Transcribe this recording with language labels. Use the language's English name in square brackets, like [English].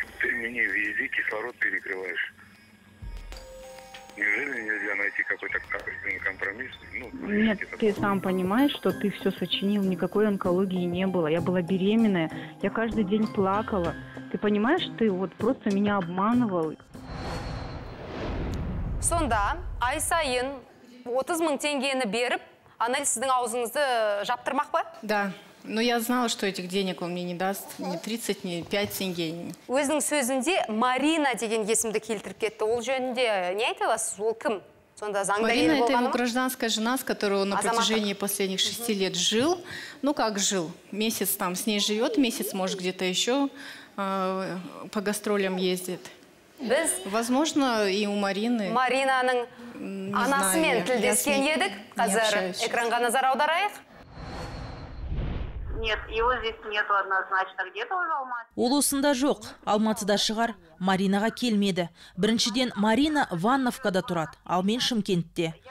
[Russian] Ты мне везде кислород перекрываешь. Неужели нельзя найти какой-то компромисс? Нет, ты сам понимаешь, что ты все сочинил, никакой онкологии не было. Я была беременная, я каждый день плакала. Ты понимаешь, ты вот просто меня обманывал. [Kazakh] Сонда, ай сайын, 30 мың тенгені беріп, Анель, сіздің аузыңызды жаптырмақ ба? [Russian] Да. Но я знала, что этих денег он мне не даст. Ни 30, ни 5 тенге. [Kazakh] Өзінің сөзінде Марина деген есімді келтіріп кетті. Ол жөнінде не айталасыз? Ол кім? Сонда заңда [Russian] Марина – это его гражданская жена, с которой он на протяжении последних 6 лет жил. Ну, как жил? Месяц там с ней живет, месяц, может, где-то еще по гастролям ездит. [Kazakh] Біз, [Russian] возможно, и у Марины. [Kazakh] Маринаның анасымен тілдескен едік. Қазір экранға назар аударайық. Ол осында жоқ, Алматыда шығар, Маринаға келмеді. Біріншіден, Марина Ванновкада тұрады, ал мен Шымкентте.